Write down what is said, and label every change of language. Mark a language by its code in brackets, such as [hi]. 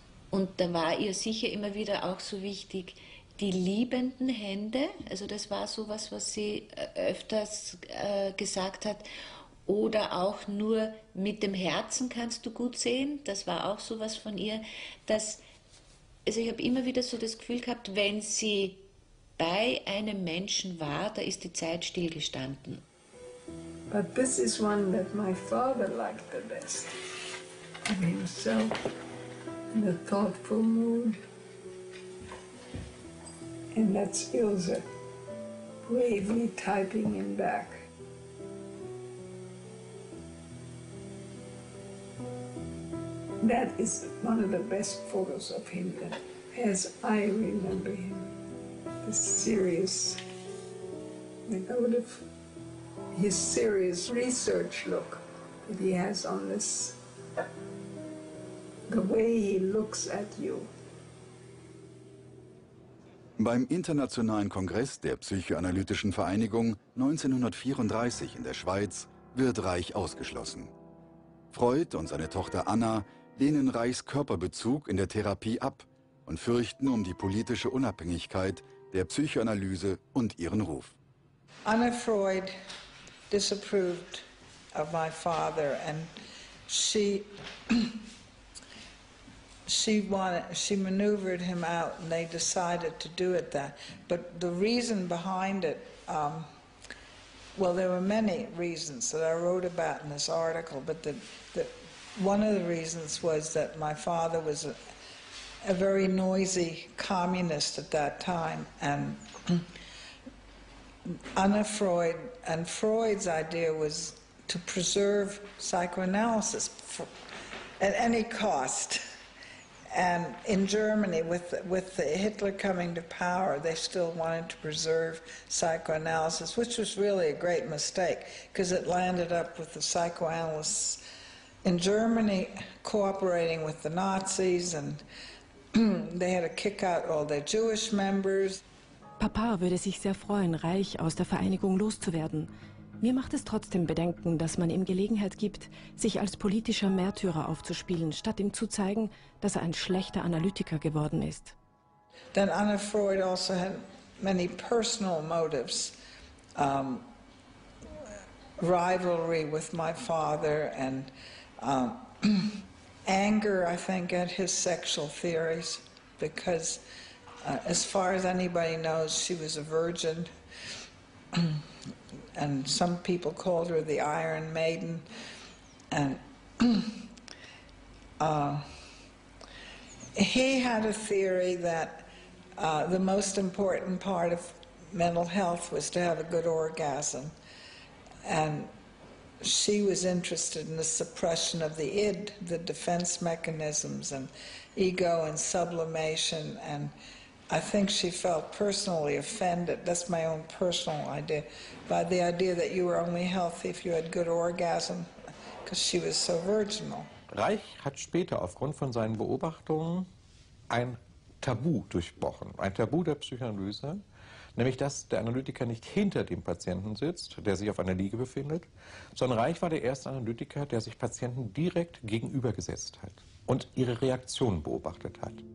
[de] Und da war ihr sicher immer wieder auch so wichtig, die liebenden Hände, also das war so was, was sie öfters gesagt hat, oder auch nur mit dem Herzen kannst du gut sehen. Das war auch sowas von ihr, dass, also ich habe immer wieder so das Gefühl gehabt, wenn sie bei einem Menschen war, da ist die Zeit stillgestanden. [en] But this is one that my father liked the best. And himself, in a thoughtful mood. And that's Ilse, bravely typing him back. That is one of the best photos of him that, as I remember him, the serious, his serious research look that he has on this, the way he looks at you. [de] Beim Internationalen Kongress der Psychoanalytischen Vereinigung 1934 in der Schweiz wird Reich ausgeschlossen. Freud und seine Tochter Anna lehnen Reichs Körperbezug in der Therapie ab und fürchten um die politische Unabhängigkeit der Psychoanalyse und ihren Ruf. [en] Anna Freud disapproved of my father and she maneuvered him out and they decided to do it that. But the reason behind it, well, there were many reasons that I wrote about in this article, but the one of the reasons was that my father was a very noisy communist at that time, and Anna Freud, and Freud's idea was to preserve psychoanalysis at any cost. And in Germany, with Hitler coming to power, they still wanted to preserve psychoanalysis, which was really a great mistake, because it landed up with the psychoanalysts in Germany cooperating with the Nazis, and they had to kick out all their Jewish members. [de] Papa würde sich sehr freuen, Reich aus der Vereinigung loszuwerden. Mir macht es trotzdem Bedenken, dass man ihm Gelegenheit gibt, sich als politischer Märtyrer aufzuspielen, statt ihm zu zeigen, dass er ein schlechter Analytiker geworden ist. [en] that Anna Freud also had many personal motives, rivalry with my father and anger, I think, at his sexual theories, because as far as anybody knows, she was a virgin. And some people called her the Iron Maiden. And he had a theory that the most important part of mental health was to have a good orgasm. And she was interested in the suppression of the id, the defense mechanisms, and ego and sublimation. And I think she felt personally offended, that's my own personal idea, by the idea that you were only healthy if you had good orgasm, because she was so virginal. [de] Reich hat später aufgrund von seinen Beobachtungen ein Tabu durchbrochen, ein Tabu der Psychoanalyse, nämlich dass der Analytiker nicht hinter dem Patienten sitzt, der sich auf einer Liege befindet, sondern Reich war der erste Analytiker, der sich Patienten direkt gegenübergesetzt hat und ihre Reaktion beobachtet hat.